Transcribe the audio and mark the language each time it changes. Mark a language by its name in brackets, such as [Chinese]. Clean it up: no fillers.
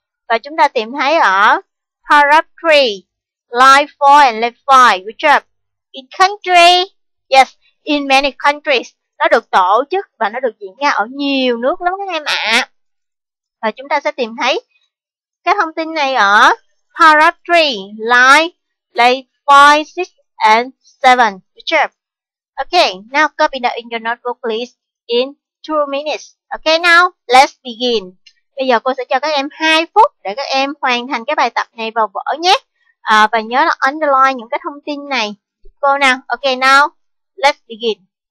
[Vietnamese] Và chúng ta tìm thấy ở [English] paragraph 3, line 4 and line 5, which are in country. Yes, in many countries. [Vietnamese] Nó được tổ chức và nó được diễn ra ở nhiều nước lắm các em ạ. Và chúng ta sẽ tìm thấy cái thông tin này ở [English] paragraph 3, line 5, 6 and 7. Good job. Okay, now copy that in your notebook please in 2 minutes. Okay, now let's begin. [Vietnamese] Bây giờ cô sẽ cho các em 2 phút để các em hoàn thành cái bài tập này vào vở nhé. Và nhớ là underline những cái thông tin này. Cô nào? [English] Okay, now let's begin.